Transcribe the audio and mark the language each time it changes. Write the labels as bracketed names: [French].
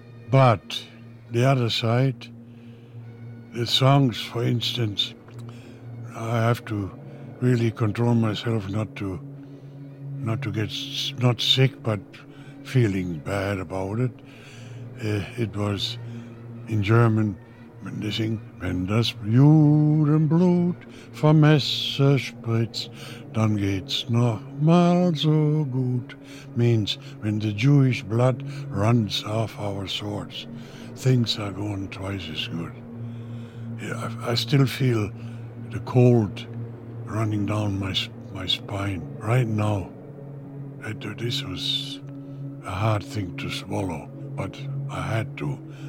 [English] But the other side, the songs, for instance, I have to really control myself not to get sick, but feeling bad about it. It was in German. [German] And they sing, wenn das Blut und Blut vom Messer spritzt, dann geht's noch mal so gut. [English] Means, when the Jewish blood runs off our swords, things are going twice as good. Yeah, I still feel the cold running down my spine right now. This was a hard thing to swallow, but I had to.